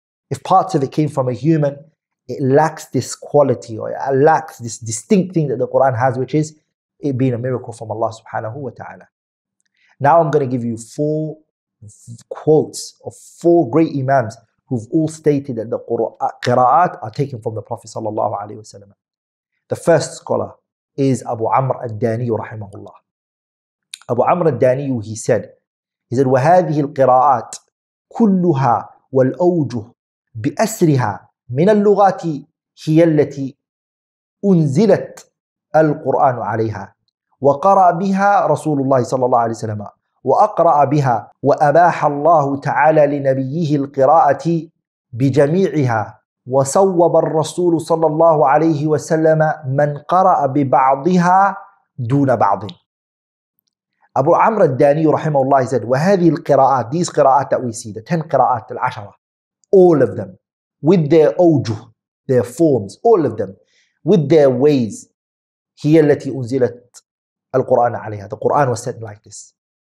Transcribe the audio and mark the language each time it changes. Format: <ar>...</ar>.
<en>If parts of it came from a human, it lacks this quality, or it lacks this distinct thing that the Qur'an has, which is it being a miracle from Allah subhanahu wa ta'ala. Now I'm going to give you four quotes of four great imams who've all stated that the qira'at are taken from the Prophet sallallahu alayhi wa sallam. The first scholar is Abu Amr al-Dani rahimahullah.</en> <ar>Abu Amr al-Dani, he said, وهذه القراءات كلها والأوجه بأسرها من اللغات هي التي أنزلت القرآن عليها وقرأ بها رسول الله صلى الله عليه وسلم وأقرأ بها وأباح الله تعالى لنبيه القراءة بجميعها وصوب الرسول صلى الله عليه وسلم من قرأ ببعضها دون بعض.</ar> <en>Abu Amr al-Dani rahimahullah, he said,</en> <ar>وَهَذِي الْقِرَاءَاتِ,</ar> <en>these qira'at that we see, the 10 qira'at, al-ashara, all of them, with their awjuh, their forms, all of them, with their ways,</en> <ar>هِيَ الَّتِي أُنزِلَتْ الْقُرْآنَ عَلَيْهَا,</ar> <en>the Qur'an was said like this.</en>